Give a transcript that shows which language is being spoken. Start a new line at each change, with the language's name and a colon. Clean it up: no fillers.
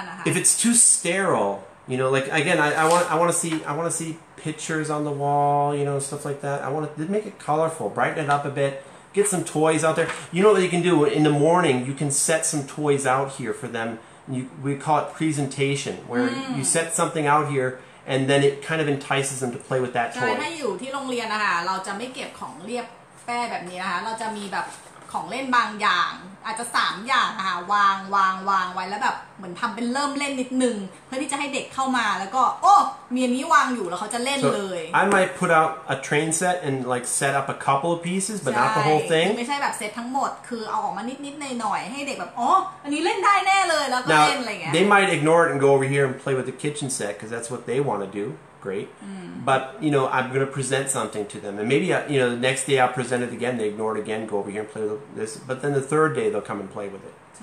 English: If it's too sterile, you know, like, again, I want to see pictures on the wall, you know, stuff like that. I want to make it colorful, brighten it up a bit. Get some toys out there. You know what you can do? In the morning, you can set some toys out here for them. We call it presentation, where you set something out here, and then it kind of entices them to play with that toy.
Thai: ใช่ให้อยู่ที่โรงเรียนนะคะเราจะไม่เก็บของเรียบแป้แบบนี้นะคะเราจะมีแบบของเล่นบางอย่างอาจจะ3อย่างนะคะวางไว้แล้วแบบเหมือนทำเป็นเริ่มเล่นนิดนึงเพื่อที่จะให้เด็กเข้ามาแล้วก็โอ้มีอันนี้วางอยู่แล้วเขาจะเล่นเลย
English: I might put out a train set and like set up a couple of pieces but not the whole thing
Thai: ไม่ใช่แบบเซตทั้งหมดคือเอาออกมานิดๆหน่อยๆให้เด็กแบบโอ้อันนี้เล่นได้แน่เลยแล้วก็เล่นอะไรเงี้ย
English: They might ignore it and go over here and play with the kitchen set because that's what they want to do great but you know I'm going to present something to them and maybe you know the next day I'll present it again they ignore it again go over here and play with this but then the third day they'll come and play with it